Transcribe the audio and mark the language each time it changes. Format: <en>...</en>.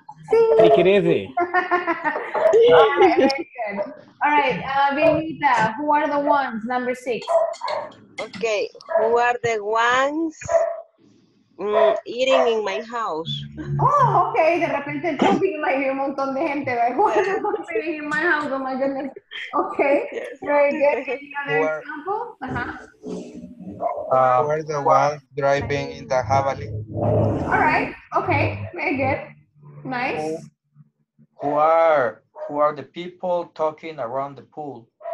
<es>Sí.</es> <en>Take it easy. All right, very good. All right, Vinita, who are the ones? Number six. Okay, who are the ones eating in my house? Oh, okay.</en> <es>De repente, yo vi un montón de gente.</es> <en>Who are the ones eating in my house? Oh my goodness. Okay. Very good. Any other example? Uh-huh. Who are the ones driving in the javali? All right. Okay. Very good. Nice. Who are the people talking around the pool?</en>